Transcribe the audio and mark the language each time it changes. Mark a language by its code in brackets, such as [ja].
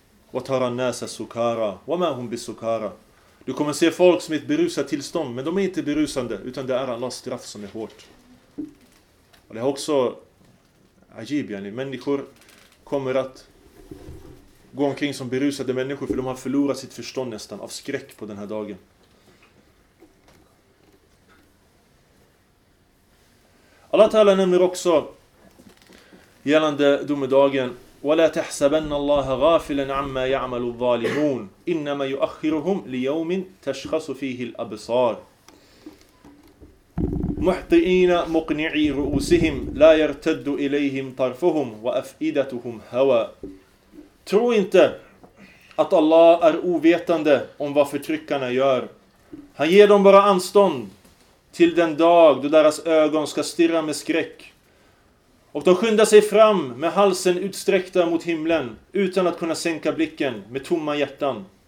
[ar] Wa tara an-nasa sukara wa ma hum bisukara. [sv] Du kommer se folk som är i ett berusat tillstånd, men de är inte berusande, utan det är Allahs straff som är hårt. Och det är också ajib, yani. Människor kommer att gå omkring som berusade människor, för de har förlorat sitt förstånd nästan av skräck på den här dagen. Allah Ta'ala nämner också gällande domedagen: [ar] وَلَا تَحْسَبَنَّ اللَّهَ غَافِلًا عَمَّا يَعْمَلُ الظَّالِمُونَ إِنَّمَا يُؤَخِّرُهُمْ لِيَوْمٍ تَشْخَصُ فِيهِ الْأَبْصَارُ مُحْطِئِينَ مُقْنِعِي رُؤُوسِهِمْ لَا يَرْتَدُّ إِلَيْهِمْ طَرْفُهُمْ وَأَفْئِدَتُهُمْ هَوَى. [sv] Tro inte att Allah är ovetande om vad förtryckarna gör. Han ger dem bara anstånd till den dag då deras ögon ska stirra med skräck. Och de skyndar sig fram med halsen utsträckta mot himlen utan att kunna sänka blicken, med tomma hjärtan.